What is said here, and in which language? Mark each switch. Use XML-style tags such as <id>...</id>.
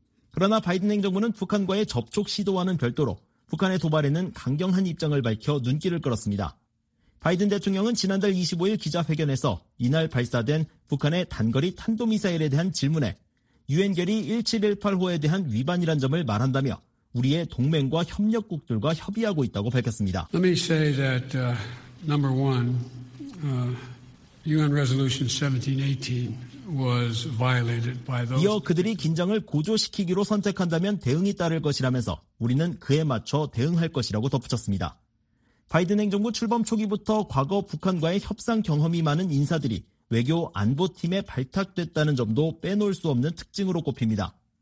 <ko>그러나 바이든 행정부는 북한과의 접촉 시도와는 별도로 북한의 도발에는 강경한 입장을 밝혀 눈길을 끌었습니다. 바이든 대통령은 지난달 25일 기자회견에서 이날 발사된 북한의 단거리 탄도미사일에 대한 질문에 유엔 결의 1718호에 대한 위반이란 점을 말한다며 우리의 동맹과 협력국들과 협의하고 있다고 밝혔습니다.</ko> <en>Let me say that number one, UN Resolution 1718 was violated by those.</en> <ko>이어 그들이 긴장을 고조시키기로 선택한다면 대응이 따를 것이라면서 우리는 그에 맞춰 대응할 것이라고 덧붙였습니다. 바이든 행정부 출범 초기부터 과거 북한과의 협상 경험이 많은 인사들이 외교 안보팀에 발탁됐다는 점도 빼놓을 수 없는 특징으로 꼽힙니다.</ko>